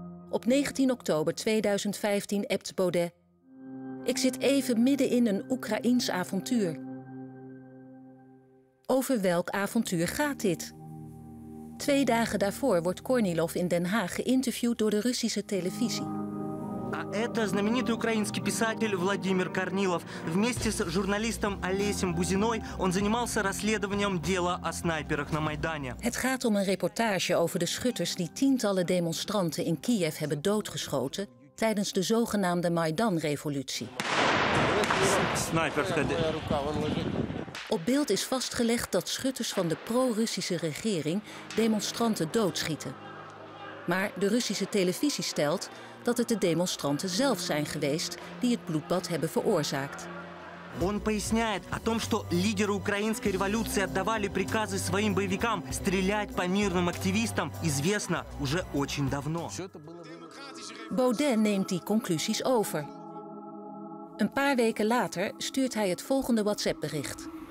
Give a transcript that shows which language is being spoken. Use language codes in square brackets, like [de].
[nl] Op 19 oktober 2015 appt Baudet: ik zit even midden in een Oekraïens avontuur. Over welk avontuur gaat dit? Twee dagen daarvoor wordt Kornilov in Den Haag geïnterviewd door de Russische televisie. [ru] А это знаменитый украинский писатель Владимир Корнилов. Вместе с журналистом Олесем Бузиной он занимался расследованием дела о снайперах на Майдане. [nl] Het gaat om een reportage over de schutters die tientallen demonstranten in Kiev hebben doodgeschoten tijdens de zogenaamde Maidan-revolutie. [ru] Снайперская рука, он лежит. [nl] Op beeld is vastgelegd dat schutters van de pro-Russische regering demonstranten doodschieten. Maar de Russische televisie stelt dat het de demonstranten zelf zijn geweest die het bloedbad hebben veroorzaakt. [ru] Он поясняет о том, что лидеры украинской революции отдавали приказы своим боевикам стрелять по мирным активистам, известно уже очень давно. [nl] Baudet neemt die conclusies over. Een paar weken later stuurt hij het volgende WhatsApp-bericht.